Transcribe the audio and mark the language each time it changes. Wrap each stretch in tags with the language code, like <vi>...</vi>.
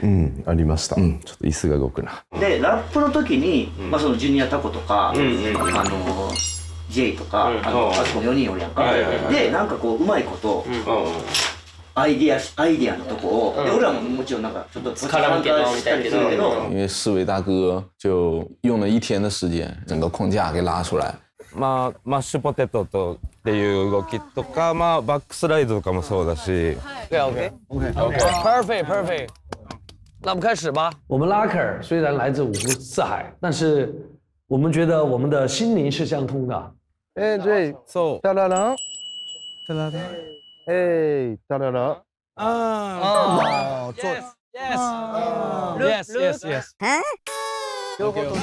<ja>うん、ありました。うん、ちょっと椅子が動くな。で、ラップの時に、まあそのジュニアタコとか、ジェイとか、あそこ4人おるやんか。で、なんかこう、うまいこと、アイディアのとこを、で、俺らももちろんなんか、ちょっと絡むけど、みたいけど。</ja> <zh>因为四位大哥就用了一天的时间、整个框架给拉出来。</zh> <ja>まあ、マッシュポテトとっていう動きとか、まあ、バックスライドとかもそうだし。</ja> <en>Perfect, perfect.</en> <zh>那我们开始吧。我们拉克尔虽然来自五湖四海，但是我们觉得我们的心灵是相通的。哎，对，走。哒啦啦，哒啦啦，哎，哒啦啦。啊啊，</zh> <en>坐。Yes, yes, yes, yes.</en>